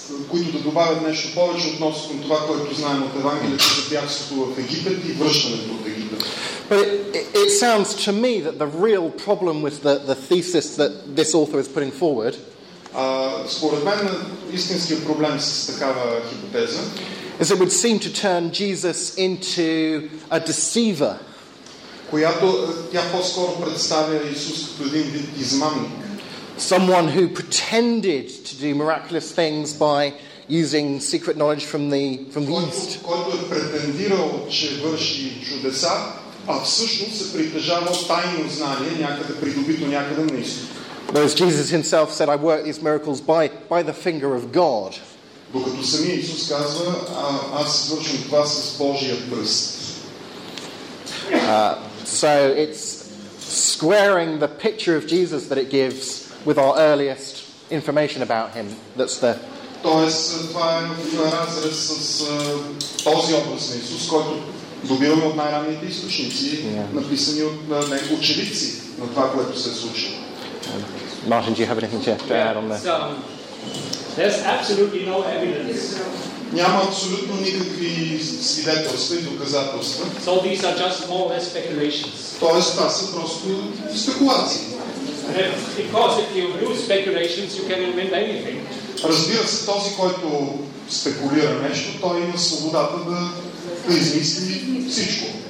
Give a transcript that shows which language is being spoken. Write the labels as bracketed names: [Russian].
[Bulgarian] Които да добавят нещо повече относно това, което знаем от Евангелието за бягството в Египет и връщането от Египет. [English] But it sounds to me that the real problem with the thesis that this author is putting forward, [Bulgarian] според мен истинският проблем с такава хипотеза, [English] is it would seem to turn Jesus into a deceiver. [Bulgarian] Която тя по-скоро представя Исус като един вид измамник. [English] Someone who pretended to do miraculous things by using secret knowledge from the east. [Bulgarian] Който е претендирал, че върши чудеса, а всъщност се притежава тайно знание, някъде придобито някъде на изток. [English] Whereas Jesus himself said, I work these miracles by the finger of God. [Bulgarian] Докато самия Исус казва, аз вършам това с Божия пръст. [English] So it's squaring the picture of Jesus that it gives with our earliest information about him. That's the. [Bulgarian] Тоест, това е в разрез с този образ на Исус, който добиваме от най-ранните източници, написани от учебници на това, което се случва. [English] Martin, do you have anything to add on there? There's absolutely no evidence. [Bulgarian] Няма абсолютно никакви свидетелства и доказателства. [English] So these are just more or less speculations. [Bulgarian] Тоест, това са просто спекулации. [English] Because if you lose speculations, you can invent anything. [Bulgarian] Разбира се, този, който спекулира нещо, той има свободата да измисли всичко.